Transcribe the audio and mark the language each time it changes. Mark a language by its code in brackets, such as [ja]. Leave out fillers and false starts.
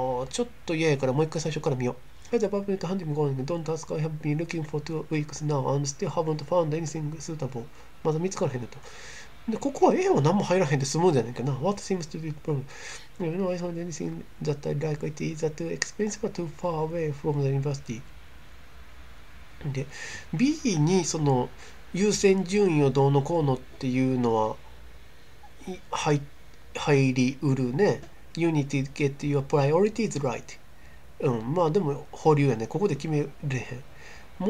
[ja] ちょっと嫌やから、もう一回最初から見よう。 [en] I have a problem with hunting going. Don't ask. I have been looking for 2 weeks now and still haven't found anything suitable. [ja] まだ見つからへんねと。で、ここは A は何も入らへんで済むんじゃないかな。 [en] What seems to be the problem? You know, I found anything that I like. It is that too expensive or too far away from the university? [ja] で、B にその優先順位をどうのこうのっていうのは入りうるね。 [en] You need to get your priorities right. [ja] まあでも保留やね。ここで決めれへん。